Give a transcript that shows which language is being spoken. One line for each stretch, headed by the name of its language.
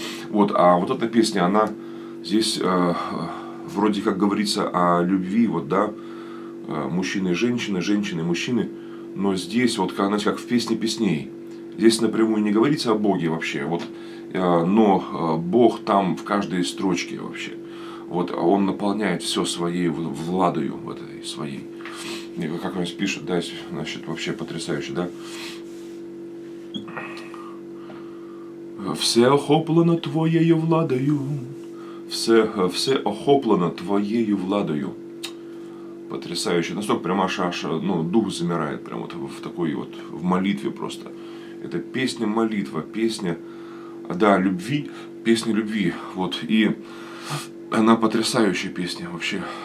Russian: Вот, а вот эта песня, она здесь, вроде как говорится о любви, вот, да, мужчины и женщины, женщины и мужчины, но здесь, вот, знаете, как в «Песне песней», здесь напрямую не говорится о Боге вообще, вот, но Бог там в каждой строчке вообще. Вот он наполняет все своей владою, вот этой своей. И как он пишет, да, значит, вообще потрясающе, да.
Ukrainian: «Все охоплено твоєю владою, все охоплено твоєю владою».
Russian: Потрясающе, настолько прям аж, ну, дух замирает прям вот в такой вот, в молитве просто. Это песня-молитва, песня, да, любви, песня любви, вот, и она потрясающая песня вообще.